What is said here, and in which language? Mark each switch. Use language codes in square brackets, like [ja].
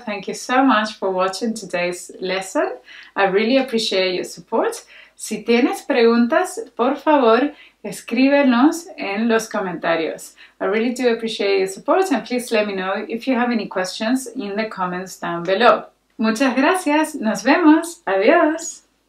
[en] Thank you so much for watching today's lesson. I really appreciate your support. [es] Si tienes preguntas, por favor, escríbenos en los comentarios. [en] I really do appreciate your support and please let me know if you have any questions in the comments down below. [es] Muchas gracias. Nos vemos. Adiós.